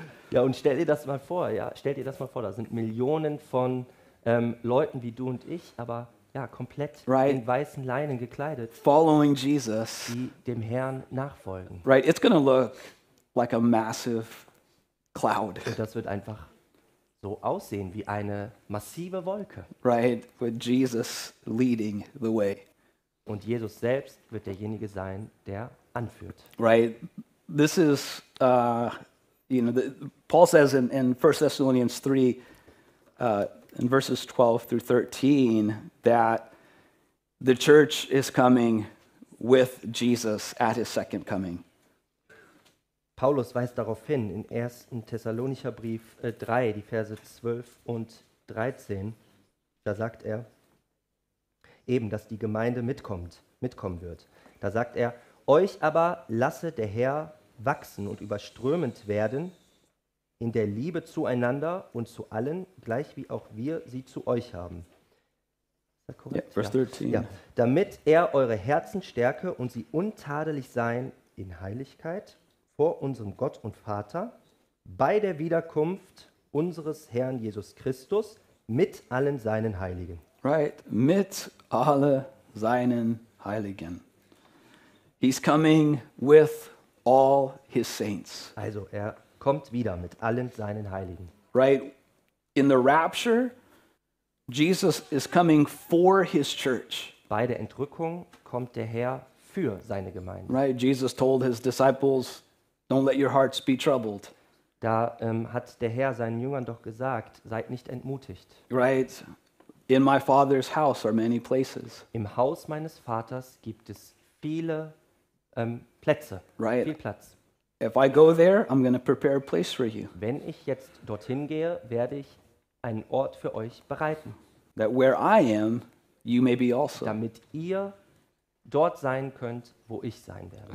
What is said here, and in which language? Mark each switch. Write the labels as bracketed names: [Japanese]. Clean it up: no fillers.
[German] Ja, und stell dir das mal vor, ja, stell dir das mal vor, da sind Millionen von Leuten wie du und ich, aber ja, komplett [English] right. [German] In weißen Leinen gekleidet. [English] Following Jesus. [German] Die dem Herrn nachfolgen. [English] Right, it's gonna look like a massive cloud. [German] Und das wird einfach so aussehen wie eine massive Wolke. [English] Right, with Jesus leading the way. [German] Und Jesus selbst wird derjenige sein, der anführt. [English] Right, this is you know, Paul says in 1 Thessalonians 3, in verses 12 through 13, that the church is coming with Jesus at his second coming. [German] Paulus weist darauf hin, in 1. Thessalonicher Brief 3, die Verse 12 und 13, da sagt er eben, dass die Gemeinde mitkommen wird. Da sagt er, euch aber lasse der Herr wachsen und überströmend werden in der Liebe zueinander und zu allen, gleich wie auch wir sie zu euch haben. Ist das korrekt? [English] Yeah, verse 13. [German] Ja. Damit er eure Herzen stärke und sie untadelig sein in Heiligkeit vor unserem Gott und Vater bei der Wiederkunft unseres Herrn Jesus Christus mit allen seinen Heiligen. Right, mit alle seinen Heiligen. [English] He's coming with all his saints. [German] Also er kommt wieder mit allen seinen Heiligen. [English] Right, in the rapture, Jesus is coming for his church. [German] Bei der Entrückung kommt der Herr für seine Gemeinde. [English] Right, Jesus told his disciples, don't let your hearts be troubled. [German] Da hat der Herr seinen Jüngern doch gesagt, seid nicht entmutigt. [English] Right, in my father's house are many places. [German] Im Haus meines Vaters gibt es viele Plätze, [English] right. [German] Viel Platz. [English] If I go there, I'm going to prepare a place for you. [German] Wenn ich jetzt dorthin gehe, werde ich einen Ort für euch bereiten. [English] That where I am, you may be also. [German] Damit ihr dort sein könnt, wo ich sein werde.